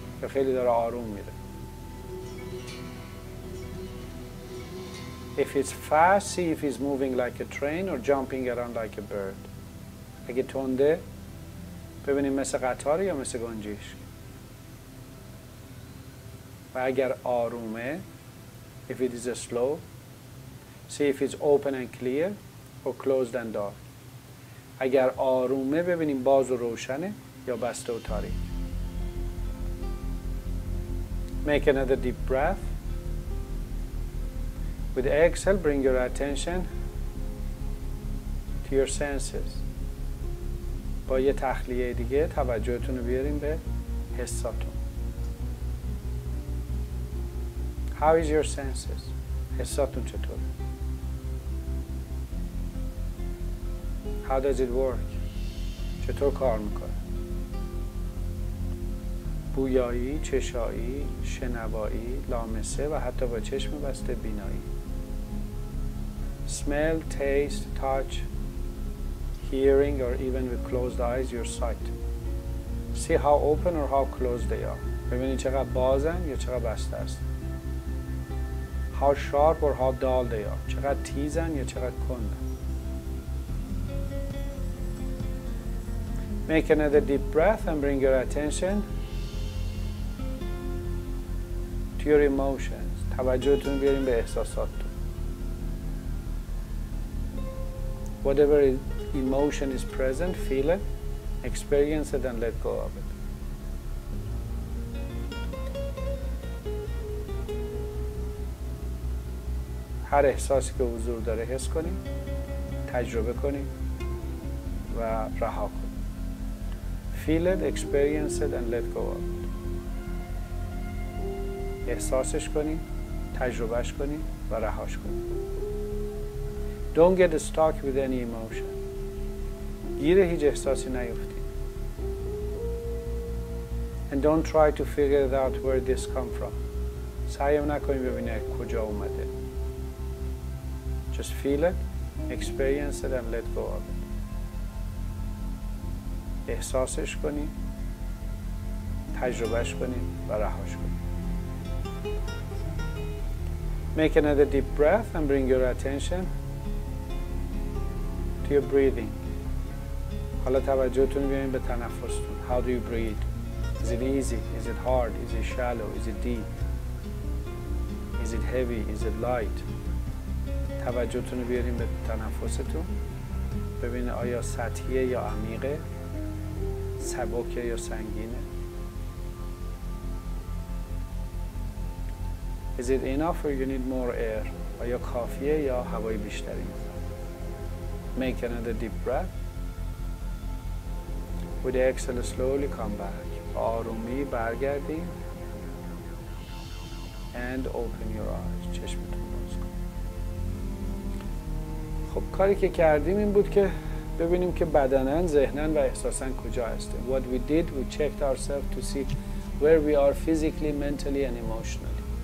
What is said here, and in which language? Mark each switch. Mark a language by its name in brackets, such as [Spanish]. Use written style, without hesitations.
[Persian] یا خیلی داره آروم میره؟ [English] If it's fast, see if it's moving like a train or jumping around like a bird. [Persian] اگه تنده، ببینیم مثل قطار یا مثل گنجشک. و اگر آرومه، [English] if it is slow, see if it's open and clear or closed and dark. [Persian] اگر آرومه ببینیم باز و روشنه یا بسته و تاریک. [English] Make another deep breath. With exhale, bring your attention to your senses. [Persian] با یه تخلیه دیگه توجهتون رو بیاریم به حساتون. [English] How is your senses? [Persian] حساتون چطوره؟ [English] How does it work? [Persian] چطور کار میکنه؟ بویایی، چشایی، شنوایی، لامسه و حتی با چشم بسته بینایی. [English] Smell, taste, touch, hearing or even with closed eyes, your sight. See how open or how closed they are. [Persian] ببینی چقدر بازن یا چقدر بسته است. [English] How sharp or how dull they are. [Persian] چقدر تیزن یا چقدر کندن. [English] Make another deep breath and bring your attention to your emotions. [Persian] توجهتون رو بیارین به احساساتتون. [English] Whatever emotion is present, feel it, experience it and let go of it. [Persian] هر احساسی که حضور داره حس کنیم، تجربه کنیم و رها کنیم. [English] Feel it, experience it, and let go of it. [Persian] احساسش کنی، تجربهش کنی و رهاش کنی. [English] Don't get stuck with any emotion. [Persian] گیر هیچ احساسی نیفتی. [English] And don't try to figure out where this come from. [Persian] سعی نکنی ببینی کجا اومده. [English] Just feel it, experience it, and let go of it. [Persian] احساسش کنی، تجربهش کنی و رهاش کنی. [English] Make another deep breath and bring your attention to your breathing. [Persian] حالا توجهتون بیاین به تنفستون. [English] How do you breathe? Is it easy? Is it hard? Is it shallow? Is it deep? Is it heavy? Is it light? [Persian] توجهتون بیارین به تنفستون. ببینه آیا سطحیه یا عمیقه، سبکه یا سنگینه. [English] Is it enough or you need more air? [Persian] آیا کافیه یا هوای بیشتری می‌خواید؟ [English] Make another deep breath. With the exhale, slowly come back. [Persian] آرومی برگردیم. [English] And open your eyes. [Persian] چشمتون باز کن. خب کاری که کردیم این بود که ببینیم که بدنن، ذهنن و احساسن کجا هستیم. [English] What we did, we checked ourselves to see where we are physically, mentally and emotionally.